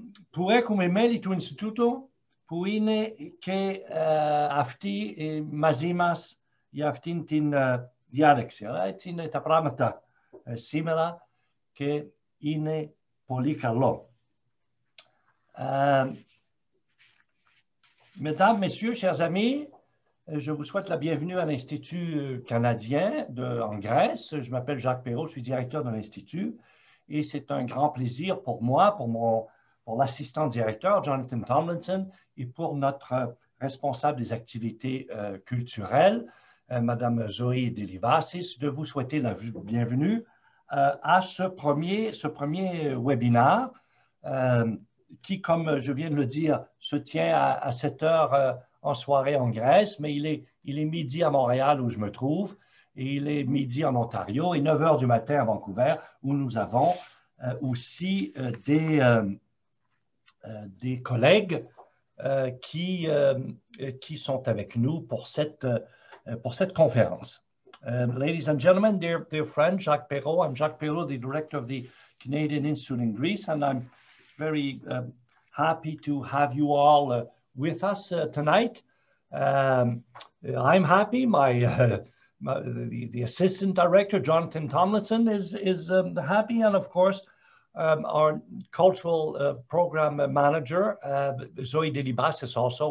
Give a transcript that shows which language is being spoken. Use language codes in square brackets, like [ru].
[el] που έχουμε μέλη του Ινστιτούτου, που είναι και αυτοί μαζί μας για αυτήν την διάλεξη. Αλλά έτσι είναι τα πράγματα σήμερα και είναι πολύ καλό. [fr] Mesdames, Messieurs, chers amis, je vous souhaite la bienvenue à l'Institut canadien en Grèce. Je m'appelle Jacques Perrault, je suis directeur de l'Institut et c'est un grand plaisir pour moi, pour l'assistant directeur Jonathan Tomlinson et pour notre responsable des activités culturelles, Madame Zoé Delivasis, de vous souhaiter la bienvenue à ce premier webinar. Qui, comme je viens de le dire, se tient à 7 heures en soirée en Grèce, mais il est midi à Montréal où je me trouve, et il est midi en Ontario, et 9 heures du matin à Vancouver, où nous avons aussi des collègues qui sont avec nous pour cette conférence. [en] Ladies and gentlemen, dear friend, Jacques Perrault. I'm Jacques Perrault, the director of the Canadian Institute in Greece, and I'm very happy to have you all with us tonight. I'm happy. The assistant director, Jonathan Tomlinson, is happy, and of course, our cultural program manager, Zoe Delibasis, also.